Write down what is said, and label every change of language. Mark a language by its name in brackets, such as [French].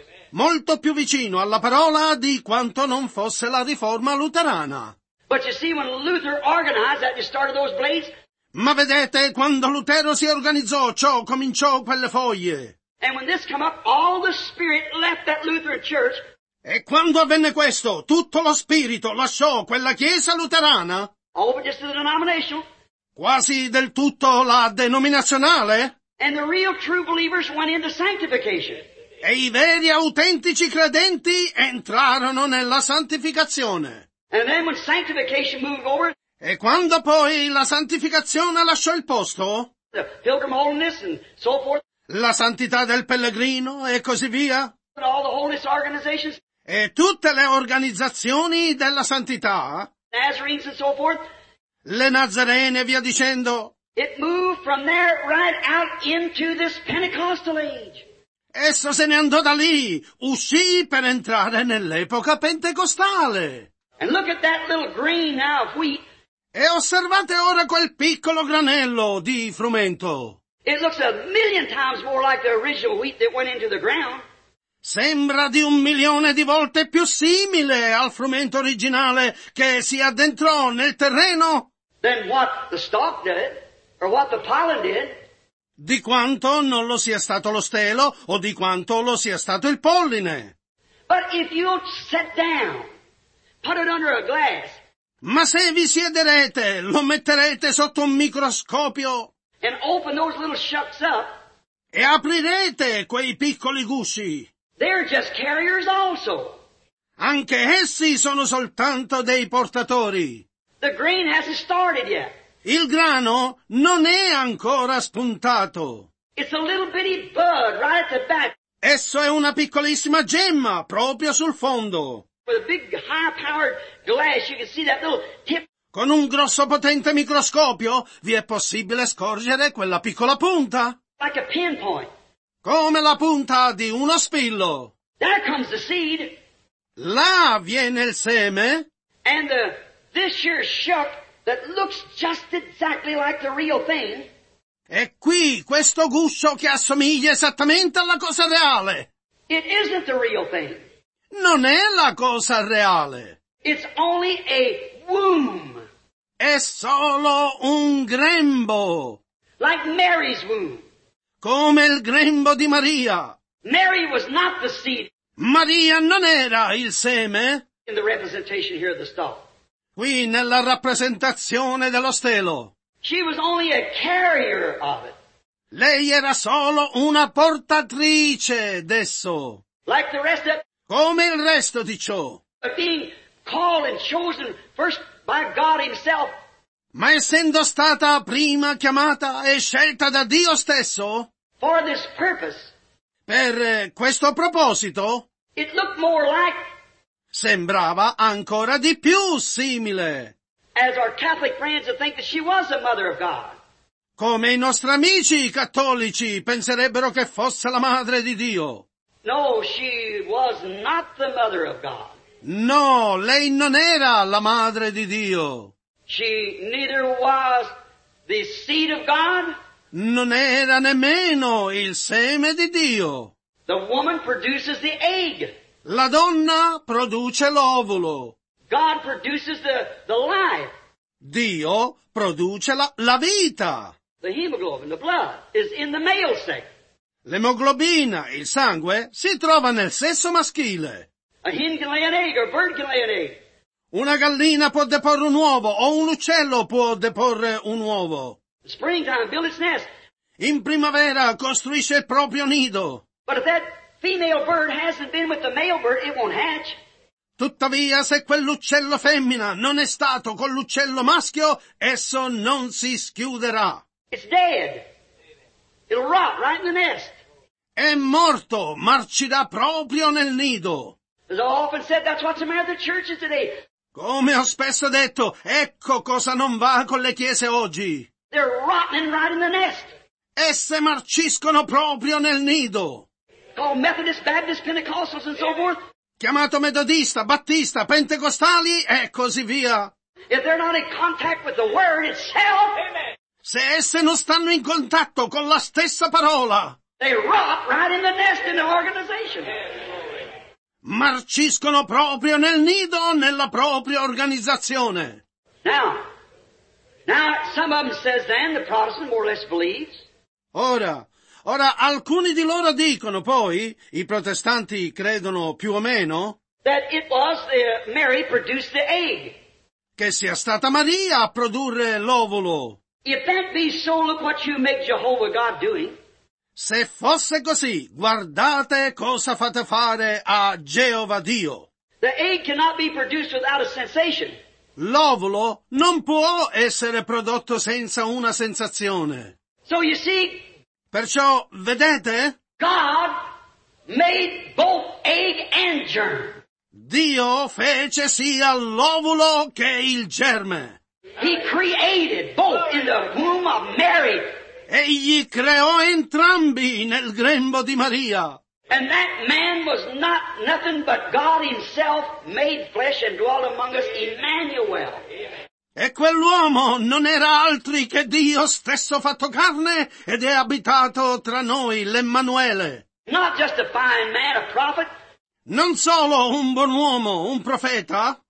[Italian] Molto più vicino alla parola di quanto non fosse la riforma luterana. [English] But you see, when Luther organized that, you started those blades. [Italian] Ma vedete, quando Lutero si organizzò, ciò cominciò quelle foglie. [English] And when this came up, all the spirit left that Lutheran church. [Italian] E quando avvenne questo, tutto lo spirito lasciò quella chiesa luterana. [English] All but just the denominational. [Italian] Quasi del tutto la denominazionale. [English] And the real true believers went into sanctification. [Italian] E i veri autentici credenti entrarono nella santificazione. [English] And then when sanctification moved over, [Italian] e quando poi la santificazione lasciò il posto, [English] the pilgrim holiness and so forth, [Italian] la santità del pellegrino e così via, [English] and all the holiness organizations, [Italian] e tutte le organizzazioni della santità, [English] Nazarenes and so forth, [Italian] le Nazarene e via dicendo, [English] it moved from there right out into this Pentecostal age. [Italian] Esso se ne andò da lì, uscì per entrare nell'epoca pentecostale. [English] And look at that little grain now of wheat. [Italian] E osservate ora quel piccolo granello di frumento. [English] It looks a million times more like the original wheat that went into the ground. [Italian] Sembra di un milione di volte più simile al frumento originale che si addentrò nel terreno. [English] Than what the stalk did, or what the pollen did. [Italian] Di quanto non lo sia stato lo stelo, o di quanto lo sia stato il polline. [English] But if you sit down, put it under a glass. [Italian] Ma se vi siederete, lo metterete sotto un microscopio. [English] And open those little shucks up. [Italian] E aprirete quei piccoli gusci. [English] They're just carriers also. [Italian] Anche essi sono soltanto dei portatori. [English] The grain hasn't started yet. [Italian] Il grano non è ancora spuntato. [English] It's a little bitty bud right at the back. [Italian] Esso è una piccolissima gemma proprio sul fondo. [English] With a big high-powered glass, you can see that little tip. [Italian] Con un grosso potente microscopio vi è possibile scorgere quella piccola punta. [English] Like a pinpoint. [Italian] Come la punta di uno spillo. [English] There comes the seed. [Italian] Là viene il seme. [English] And this here shuck that looks just exactly like the real thing. [Italian] E qui questo guscio che assomiglia esattamente alla cosa reale. [English] It isn't the real thing. [Italian] Non è la cosa reale. [English] It's only a womb. [Italian] È solo un grembo. [English] Like Mary's womb. [Italian] Come il grembo di Maria. [English] Mary was not the seed. [Italian] Maria non era il seme. [English] In the representation here of the stalk. [Italian] Qui nella rappresentazione dello stelo. [English] She was only a carrier of it. [Italian] Lei era solo una portatrice d'esso. [English] Like the rest of [Italian] come il resto di ciò. [English] Being called and chosen first by God himself. [Italian] Ma essendo stata prima chiamata e scelta da Dio stesso. [English] For this purpose. [Italian] Per questo proposito. [English] It looked more like. [Italian] Sembrava ancora di più simile. [English] As our Catholic friends would think that she was the mother of God. [Italian] Come i nostri amici cattolici penserebbero che fosse la madre di Dio. [English] No, she was not the mother of God. [Italian] No, lei non era la madre di Dio. [English] She neither was the seed of God. [Italian] Non era nemmeno il seme di Dio. [English] The woman produces the egg. [Italian] La donna produce l'ovulo. [English] God produces the life. [Italian] Dio produce la vita. [English] The hemoglobin, the blood, is in the male state. [Italian] L'emoglobina, il sangue, si trova nel sesso maschile. [English] A hen can lay an egg, or a bird can lay an egg. [Italian] Una gallina può deporre un uovo, o un uccello può deporre un uovo. [English] Springtime, build its nest. [Italian] In primavera costruisce il proprio nido. [English] But if that female bird hasn't been with the male bird, it won't hatch. [Italian] Tuttavia, se quell'uccello femmina non è stato con l'uccello maschio, esso non si schiuderà. [English] It's dead. It'll rot right in the nest. [Italian] È morto, marcirà proprio nel nido. [English] As I often said, that's what's the matter with the churches today. [Italian] Come ho spesso detto, ecco cosa non va con le chiese oggi. [English] They're rotting right in the nest. [Italian] Esse marciscono proprio nel nido. [English] Called Methodist, Baptist, Pentecostals and so forth. [Italian] Chiamato metodista, battista, pentecostali e così via. [English] If they're not in contact with the word itself, [Italian] se esse non stanno in contatto con la stessa parola, [English] they rot right in the nest in the organization. [Italian] Marciscono proprio nel nido, nella propria organizzazione. [English] Now, some of them says then the Protestant more or less believes. [Italian] Ora, alcuni di loro dicono poi, i protestanti credono più o meno, [English] that it was the Mary produced the egg. [Italian] Che sia stata Maria a produrre l'ovulo. [English] If that be so, look what you make Jehovah God doing. [Italian] Se fosse così, guardate cosa fate fare a Geova Dio. [English] The egg cannot be produced without a sensation. [Italian] L'ovulo non può essere prodotto senza una sensazione. [English] So you see, [Italian] perciò, vedete? [English] God made both egg and germ. [Italian] Dio fece sia l'ovulo che il germe. [English] He created both in the womb of Mary. [Italian] Egli creò entrambi nel grembo di Maria. [English] And that man was not nothing but God himself made flesh and dwelt among us, Emmanuel. [Italian] E quell'uomo non era altri che Dio stesso fatto carne ed è abitato tra noi, l'Emmanuele. [English] Not just a fine man, a prophet. [Italian] Non solo un buon uomo, un profeta.